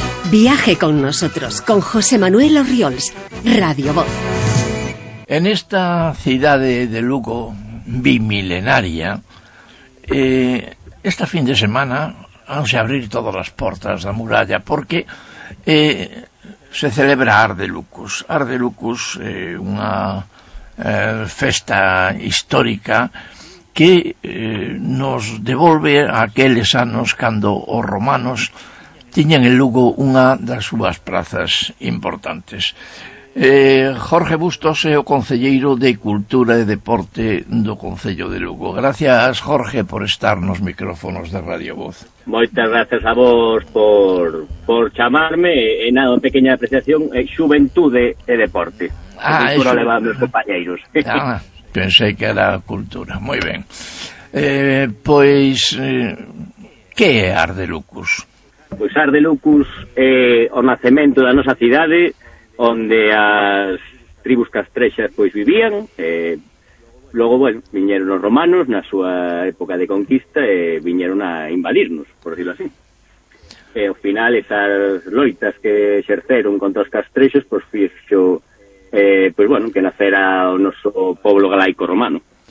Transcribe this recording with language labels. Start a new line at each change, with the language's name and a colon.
Spanish: Viaje con nosotros, con José Manuel Orriols, Radio Voz. En esta ciudad de Lugo, bimilenaria, este fin de semana han de abrir todas las puertas de la muralla porque se celebra Arde Lucus.
Galician: Arde Lucus, una festa histórica que nos devolve a aqueles anos cando os romanos tiñan en Lugo unha das súas prazas importantes. Jorge Bustos é o concelleiro de Cultura e Deporte do Concello de Lugo.
Spanish: Gracias, Jorge, por estar nos micrófonos de Radio Voz.
Galician: Moitas gracias a vos por chamarme. E nada, pequena apreciación, Xuventude e Deporte. Cultura leva meus compañeiros. Pensei que era cultura, moi ben. Pois, que é Arde Lucus? Pois Arde Lucus é o nacemento da nosa cidade, onde as tribus castrexas pois vivían. Logo, bueno, viñeron os romanos na súa época de conquista e viñeron a invadirnos,
Spanish: por decirlo así.
Galician: E ao final esas loitas que exerceron contra os castrexos, pois fixo, pois bueno, que nacera o noso pobo galaico romano.